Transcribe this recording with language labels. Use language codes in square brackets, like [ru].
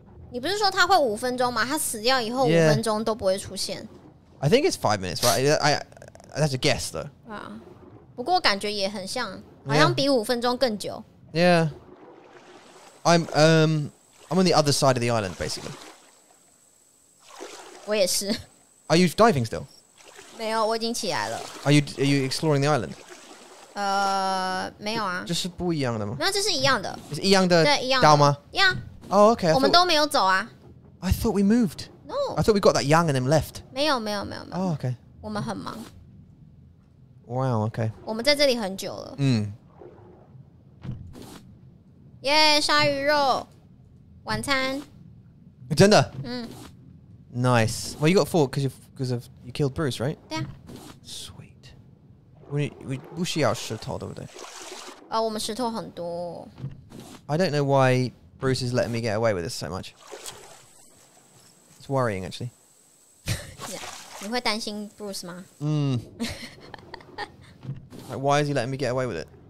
[zh] 你不是说他会五分钟吗?他死掉以后五分钟都不会出现。 [en] I think it's 5 minutes, right? I that's a guess, though. Wow. [zh] 不过感觉也很像, 好像比五分钟更久。 [en] Yeah. I'm on the other side of the island, basically. [zh] 我也是。 [en] Are you diving still? [zh] 没有,我已经起来了。 [en] Are you exploring the island? [zh] 没有啊。这是不一样的吗? 没有,这是一样的。是一样的岛吗? 一样。 [en] Oh, okay. [zh] 我们都没有走啊。 [en] I thought we moved. No. I thought we got that young and then left. [zh] 没有。 [en] Oh, okay. [zh] 我们很忙。 [en] Wow, okay. [zh] 我们在这里很久了。 Mm. Yeah, 鲨鱼肉,晚餐。真的? Mm. [en] Nice. Well, you got four because you killed Bruce, right? Yeah. Sweet. [zh] We 不需要石头,对不对? 我们石头很多。 [en] I don't know why Bruce is letting me get away with this so much. It's worrying, actually. [zh] Yeah. 你会担心 Bruce 吗? Mm. [en] Like, why is he letting me get away with it?